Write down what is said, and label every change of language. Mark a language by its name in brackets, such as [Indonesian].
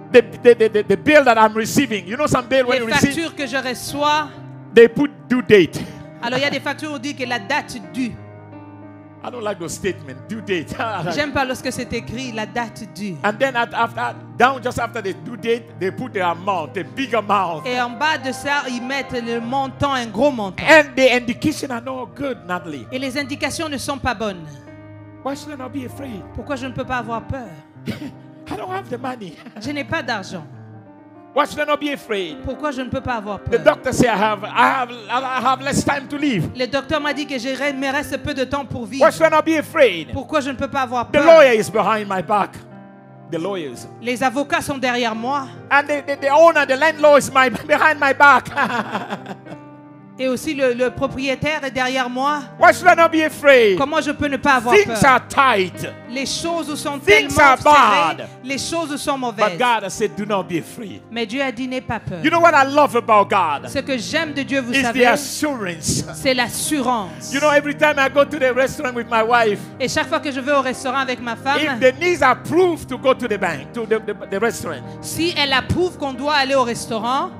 [English] The bill that I'm receiving. You know some bill when you receive. [French] Les factures que je reçois. [English] They put due date. [French] Alors il y a des factures où on dit que la date due. [English] I don't like those statements. Due date. [French] J'aime pas lorsque c'est écrit la date due. [English] And then just after the due date, they put the amount, the big amount. [French] Et en bas de ça, ils mettent le montant, un gros montant. [English] And the indications are not good, Natalie. [French] Et les indications ne sont pas bonnes. [English] Why should I not be afraid? [French] Pourquoi je ne peux pas avoir peur? [English] I don't have the money. [French] Je n'ai pas d'argent. [English] Why should I not be afraid? [French] Pourquoi je ne peux pas avoir peur? [English] The doctor said I have less time to live. [French] Le docteur m'a dit que j'ai me reste peu de temps pour vivre. [English] Why should I not be afraid? [French] Pourquoi je ne peux pas avoir peur? [English] The lawyer is behind my back. The lawyers. [French] Les avocats sont derrière moi. [English] And the owner, the landlord is behind my back. [French] Et aussi le propriétaire est derrière moi. [English] Why should I not be afraid? [French] Comment je peux ne pas avoir [English] things [French] peur? [English] Are tight. [French] Les choses sont [English] things [French] tellement [English] are bad. [French] Serrées. Les choses sont mauvaises. [English] But God said, do not be afraid. [French] Mais Dieu a dit, n'aie pas peur. [English] You know what I love about God? [French] Ce que j'aime de Dieu, vous [English] is [French] savez, [English] the assurance. [French] C'est l'assurance. [English] You know, every time I go to the restaurant with my wife, [French] et chaque fois que je vais au restaurant avec ma femme, [English] if Denise approves to go to the bank, to the restaurant, [French] si elle approuve qu'on doit aller au restaurant,